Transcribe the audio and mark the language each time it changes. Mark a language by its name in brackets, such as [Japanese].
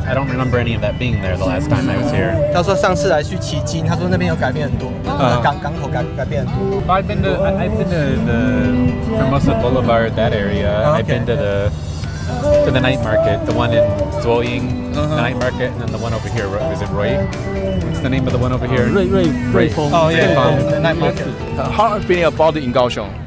[English] I don't remember any of that being there the last time I was here. [Chinese] 他说上次来去奇津，他说那边有改变很多，港口改变很多。 [English] I've been to the Formosa Boulevard, that area. Okay. I've been to the night market, the one in Zhuoying, the night market, and then the one over here, is it Roy? What's the name of the one over here? Roy. Oh, yeah. The night market. How are you feeling about it in Kaohsiung?